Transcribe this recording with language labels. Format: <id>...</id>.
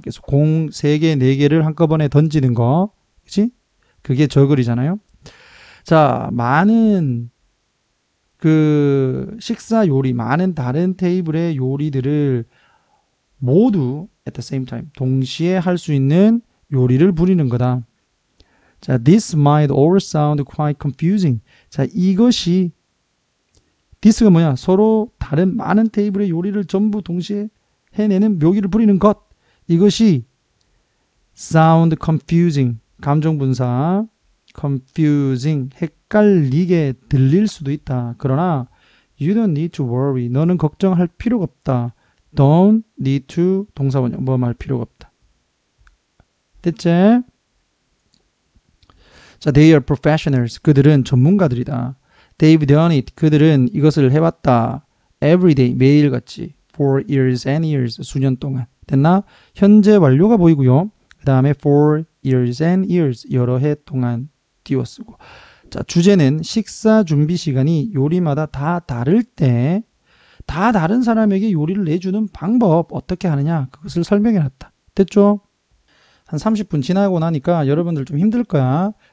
<ko>그래서 공세 개, 네 개를 한꺼번에 던지는 거, 그렇지? 그게 juggle이잖아요. 자, 많은 그 식사 요리, 많은 다른 테이블의 요리들을 모두</ko> <en>at the same time</en> <ko>동시에 할수 있는 요리를 부리는 거다.</ko> <en>자, this might all sound quite confusing.</en> <ko>자, 이것이 this가 뭐냐? 서로 다른 많은 테이블의 요리를 전부 동시에 해내는 묘기를 부리는 것.</ko> <en>이것이 sound confusing.</en> <ko>감정분사 confusing. 헷갈리게 들릴 수도 있다. 그러나</ko> <en>you don't need to worry.</en> <ko>너는 걱정할 필요가 없다.</ko> <en>Don't need to</en> <ko>동사원형 뭐말 필요가 없다. 됐지?</ko> <en>자, they are professionals.</en> <ko>그들은 전문가들이다.</ko> <en>They've done it.</en> <ko>그들은 이것을 해왔다.</ko> <en>Every day,</en> <ko>매일같이.</ko> <en>For years and years,</en> <ko>수년 동안. 됐나? 현재 완료가 보이고요. 그 다음에</ko> <en>for years and years,</en> <ko>여러 해 동안 띄워쓰고. 자, 주제는 식사 준비 시간이 요리마다 다 다를 때, 다 다른 사람에게 요리를 내주는 방법, 어떻게 하느냐? 그것을 설명해놨다. 됐죠? 한 30분 지나고 나니까 여러분들 좀 힘들 거야.</ko>